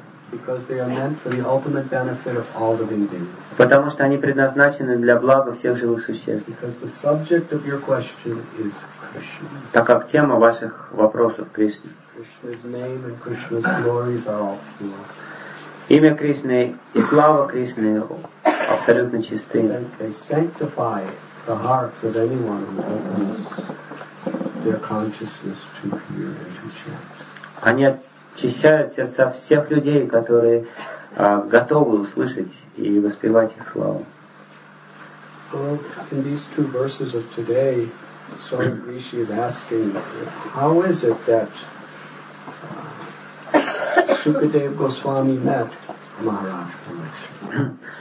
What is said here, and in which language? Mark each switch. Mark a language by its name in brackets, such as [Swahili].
[English] Because they are meant for the ultimate benefit of all living beings. [Russian] Потому что они предназначены для блага всех живых существ. [English] Because the subject of your question is Krishna. [Russian] Так как тема ваших вопросов Кришна. [English] Krishna's name and Krishna's glories are all pure. [Russian] Имя Кришны и слава Кришны абсолютно чисты. [English] They sanctify the hearts of anyone who opens their consciousness to hear and to chant. [Russian] Они очищают сердца всех людей, которые готовы услышать и воспевать их славу. [English] So in these two verses of today, Swami Rishi is asking, how is it that Sukadeva Goswami met Maharaj Parikshit?